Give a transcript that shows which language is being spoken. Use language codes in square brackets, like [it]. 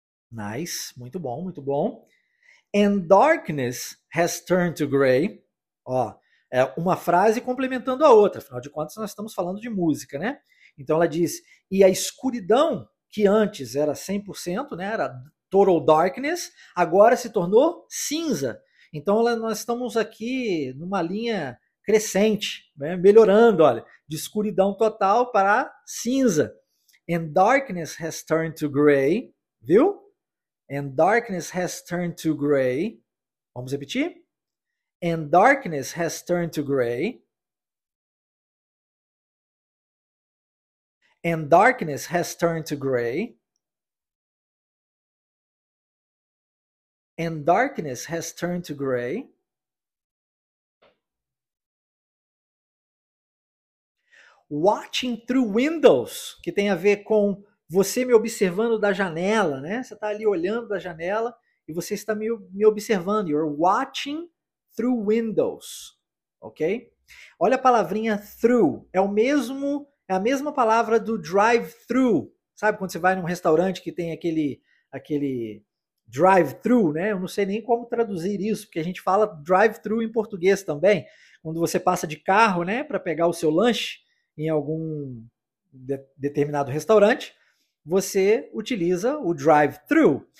[pt] Nice, muito bom, muito bom. [en] And darkness has turned to gray. [pt] Ó, é uma frase complementando a outra. Afinal de contas, nós estamos falando de música, né? Então ela diz, e a escuridão, que antes era 100%, né? Era total darkness, agora se tornou cinza. Então nós estamos aqui numa linha crescente, né? Melhorando, olha. De escuridão total para cinza. [en] And darkness has turned to gray. [pt] Viu? [en] And darkness has turned to gray. [pt] Vamos repetir? [en] And darkness has turned to gray. And darkness has turned to gray. And darkness has turned to gray. Watching through windows, [pt] que tem a ver com você me observando da janela, né? Você está ali olhando da janela e você está me observando. [en] You're watching through windows, ok? [pt] Olha a palavrinha through. É a mesma palavra do drive-thru. Sabe quando você vai num restaurante que tem aquele drive-thru, né? Eu não sei nem como traduzir isso, porque a gente fala drive-thru em português também. Quando você passa de carro, né, para pegar o seu lanche em algum determinado restaurante, você utiliza o drive-thru.